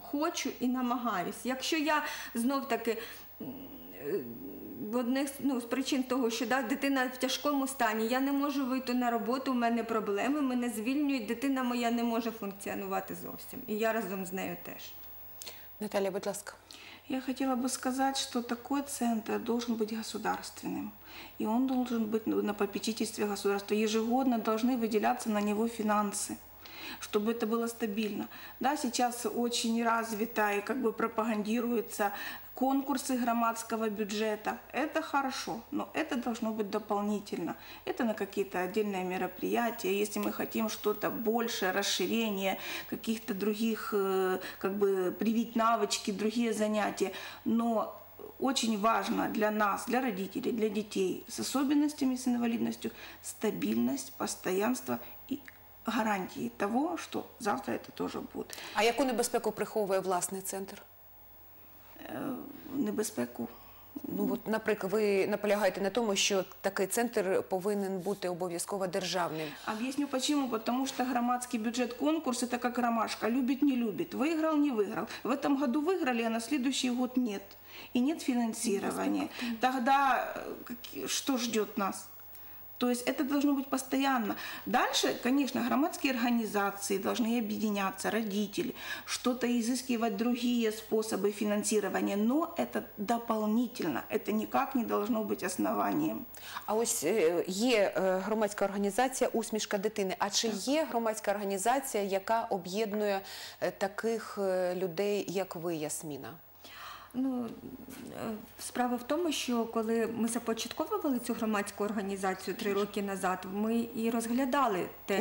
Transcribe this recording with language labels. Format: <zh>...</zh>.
<uk>Хочу і намагаюся. Якщо я знов таки з причин того, що дитина в тяжкому стані, я не можу вийти на роботу, у мене проблеми, мене звільнюють, дитина моя не може функціонувати зовсім. І я разом з нею теж. Наталья, будь ласка.</uk> <ru>Я хотела бы сказать, что такой центр должен быть государственным. И он должен быть на попечительстве государства. Ежегодно должны выделяться на него финансы, чтобы это было стабильно. Да, сейчас очень развито и как бы пропагандируются конкурсы громадского бюджета. Это хорошо, но это должно быть дополнительно. Это на какие-то отдельные мероприятия. Если мы хотим что-то большее, расширение каких-то других, как бы привить навычки, другие занятия. Но очень важно для нас, для родителей, для детей с особенностями, с инвалидностью, стабильность, постоянство и гарантии того, что завтра это тоже будет.</ru> <uk>А яку небезпеку приховує власний центр? Небезпеку. Наприклад, ви наполягаєте на тому, що такий центр повинен бути обов'язково державним. Об'ясню, чому. Тому що громадський бюджет, конкурс – це як ромашка. Любить – не любить. Виграв – не виграв. В цьому році виграли, а на наступний рік – ні. І ні фінансування. Тоді що чекає нас?</uk> <ru>То есть это должно быть постоянно. Дальше, конечно, громадские организации должны объединяться, родители, что-то изыскивать другие способы финансирования, но это дополнительно, это никак не должно быть основанием.</ru> <uk>А ось є громадська організація «Усмішка дитини». А чи є громадська організація, яка об'єднує таких людей, як ви, Ясміна? Ну, справа в тому, що коли ми започатковували цю громадську організацію 3 роки назад, ми і розглядали те.</uk>